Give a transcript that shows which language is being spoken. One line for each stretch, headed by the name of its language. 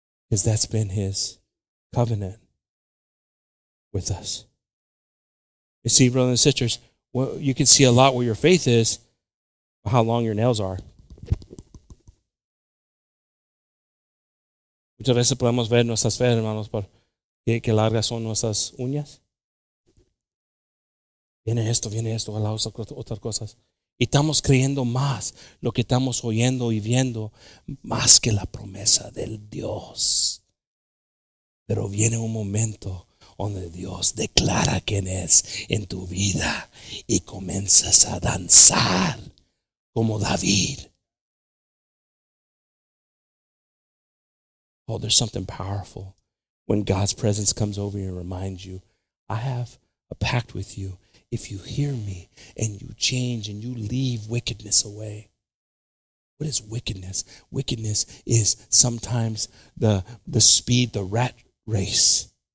English: Because that's been his covenant with us. You see, brothers and sisters, well, you can see a lot where your faith is, how long your nails are.
Spanish: Muchas veces podemos ver nuestras fe, hermanos, por qué largas son nuestras uñas. Viene esto, a las otras cosas. Y estamos creyendo más lo que estamos oyendo y viendo más que la promesa del Dios. Pero viene un momento donde Dios declara quién es en tu vida y comienzas a danzar como David.
English: Oh, there's something powerful when God's presence comes over you and reminds you, I have a pact with you. If you hear me and you change and you leave wickedness away. What is wickedness? Wickedness is sometimes the speed, the rat race.